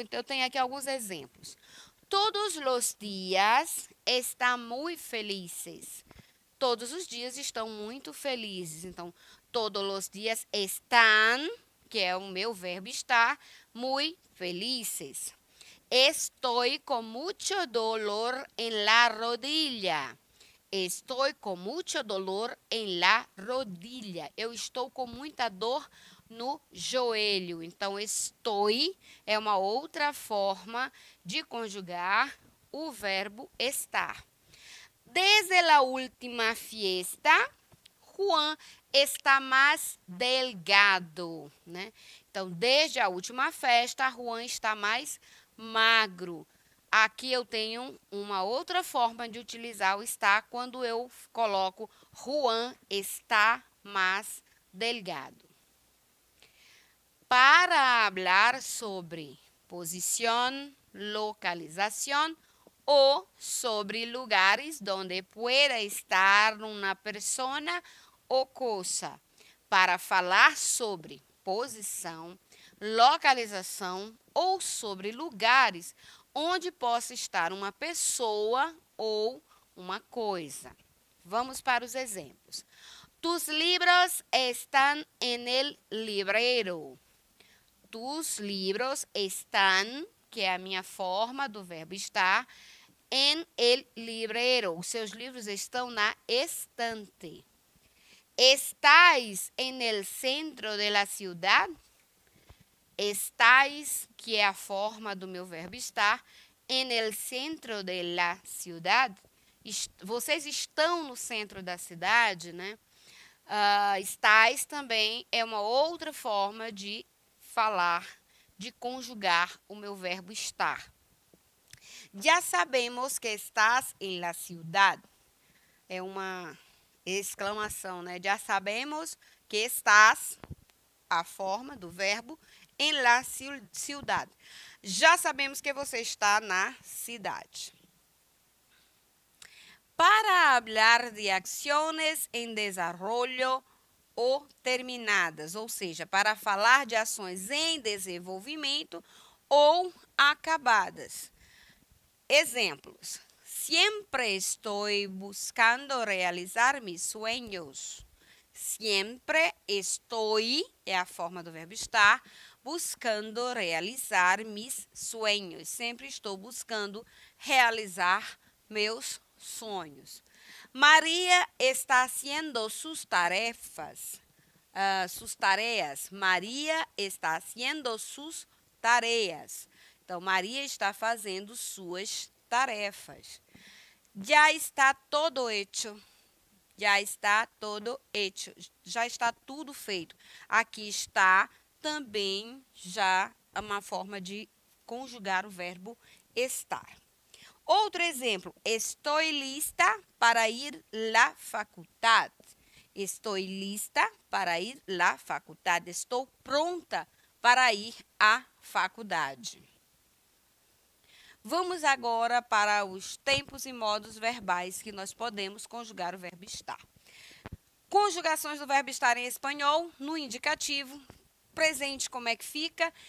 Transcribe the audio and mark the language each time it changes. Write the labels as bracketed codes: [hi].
[pt] Então, eu tenho aqui alguns exemplos. Todos os dias estão muito felizes. Todos os dias estão muito felizes. Então, todos os dias están, que é o meu verbo estar, muito felizes. [es] Estoy con mucho dolor en la rodilla. Estoy con mucho dolor en la rodilla. [pt] Eu estou com muita dor no joelho. Então, estoy é uma outra forma de conjugar o verbo estar. [es] Desde la última fiesta, [pt] Juan está mais delgado, né? Então, desde a última festa, Juan está mais magro. Aqui eu tenho uma outra forma de utilizar o está quando eu coloco [es] Juan está más delgado. Para hablar sobre posición, localización o sobre lugares donde pueda estar una persona o cosa. [pt] Para falar sobre posição, localização ou sobre lugares onde possa estar uma pessoa ou uma coisa. Vamos para os exemplos. [es] Tus libros están en el librero. Tus libros están, [pt] que é a minha forma do verbo estar, [es] en el librero. [pt] Os seus livros estão na estante. [es] Estáis en el centro de la ciudad? [pt] Estáis, que é a forma do meu verbo estar, [es] en el centro de la ciudad? [pt] Vocês estão no centro da cidade, né? Estáis também é uma outra forma de falar, de conjugar o meu verbo estar. [es] Já sabemos que estás en la ciudad. [pt] É uma exclamação, né? [es] Já sabemos que estás, [pt] a forma do verbo, [es] en la ciudad. [pt] Já sabemos que você está na cidade. [es] Para hablar de acciones en desarrollo [pt] ou terminadas, ou seja, para falar de ações em desenvolvimento ou acabadas. Exemplos. [es] Siempre estoy buscando realizar mis sueños. Siempre estoy, [pt] é a forma do verbo estar, [es] buscando realizar mis sueños. [pt] Sempre estou buscando realizar meus sonhos. [es] Maria está haciendo sus tarefas. Sus tareas. Maria está haciendo sus tareas. [pt] Então, Maria está fazendo suas tarefas. [es] Já está todo hecho. Já está todo hecho. [pt] Já está tudo feito. Aqui está também já uma forma de conjugar o verbo estar. Outro exemplo. [es] Estoy lista para ir la facultad. Estoy lista para ir la facultad. [pt] Estou pronta para ir à faculdade. Vamos agora para os tempos e modos verbais que nós podemos conjugar o verbo estar. Conjugações do verbo estar em espanhol, no indicativo, presente, como é que fica?